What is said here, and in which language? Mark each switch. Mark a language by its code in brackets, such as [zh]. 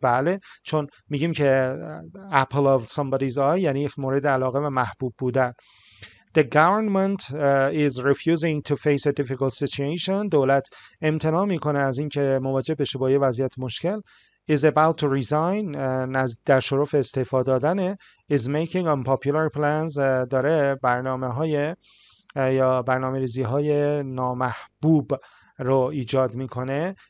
[fa] بله چون میگیم که [en] apple of somebody's eye [fa] یعنی مورد علاقه و محبوب بودن. [en] The government is refusing to face a difficult situation. [fa] دولت امتناع میکنه از اینکه مواجه بشه با یه وضعیت مشکل. [en] Is about to resign. [fa] در شرف استعفا دادنه. [en] Is making unpopular plans. [fa] داره برنامه های یا برنامه ریزی های نامحبوب رو ایجاد میکنه.